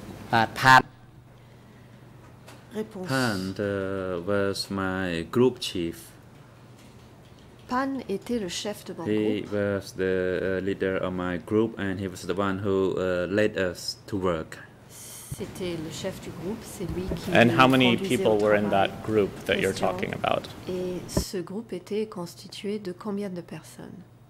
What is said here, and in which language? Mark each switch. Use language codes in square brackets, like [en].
[en] Pan. [fr] Réponse. [en] Pan was my group chief. [fr] Pan était le chef de mon [en] he [fr] groupe. [en] He was the leader of my group, and he was the one who led us to work. [fr] C'était le chef du groupe, c'est lui qui [en] And how many people were in that group that question. You're talking about? [fr] Et ce groupe était constitué de combien de personnes?